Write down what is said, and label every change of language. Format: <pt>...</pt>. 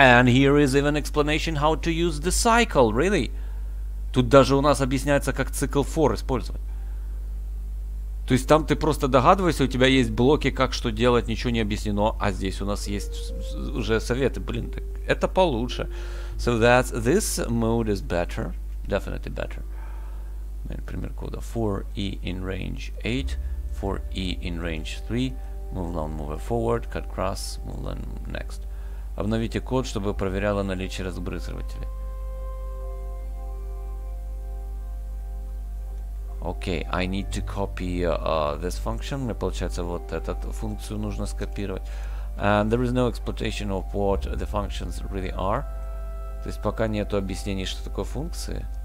<en>And here is even explanation how to use the cycle, really.</en> <ru>Тут даже у нас объясняется, как цикл for использовать. То есть там ты просто догадываешься, у тебя есть блоки, как что делать, ничего не объяснено. А здесь у нас есть уже советы. Блин, так это получше.</ru> <en>So that this mode is better, definitely better.</en> <ru>Например, кода</ru> <en>4E in range 8, 4E in range 3, move down, move forward, cut cross, move down, next.</en> <ru>Обновите код, чтобы проверяло наличие разбрызгивателей.</ru> <en>Okay, I need to copy this function.</en> <ru>Мне получается вот эту функцию нужно скопировать.</ru> <en>And there is no explanation of what the functions really are.</en> <ru>То есть пока нету объяснений, что такое функции.</ru>